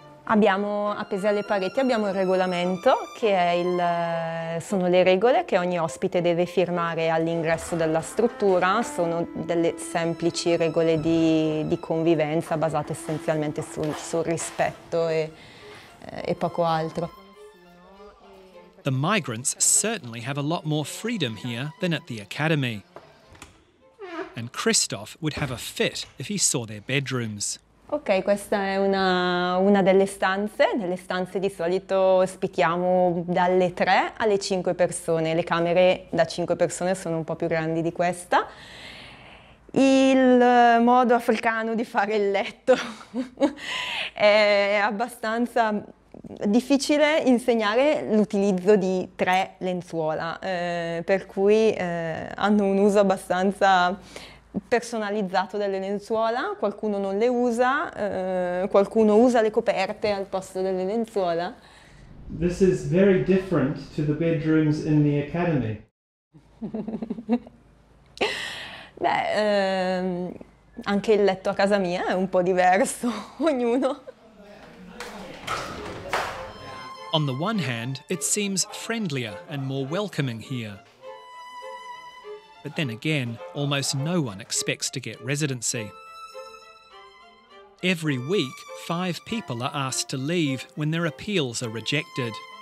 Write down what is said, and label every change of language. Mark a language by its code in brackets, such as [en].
[it] Abbiamo appese alle pareti abbiamo il regolamento che è il sono le regole che ogni ospite deve firmare all'ingresso della struttura, sono delle semplici regole di convivenza basate essenzialmente sul rispetto e poco altro. [en] The migrants certainly have a lot more freedom here than at the Academy. And Christoph would have a fit if he saw their bedrooms. [it] Ok, questa è una delle stanze. Nelle stanze di solito ospitiamo dalle 3 alle 5 persone. Le camere da 5 persone sono un po' più grandi di questa. Il modo africano di fare il letto è abbastanza difficile insegnare l'utilizzo di 3 lenzuola, per cui hanno un uso abbastanza personalizzato delle lenzuola, qualcuno non le usa, qualcuno usa le coperte al posto delle lenzuola. [en] This is very different to the bedrooms in the Academy. [it] Beh, anche il letto a casa mia è un po' diverso, ognuno. [en] On the one hand, it seems friendlier and more welcoming here. But then again, almost no one expects to get residency. Every week, five people are asked to leave when their appeals are rejected.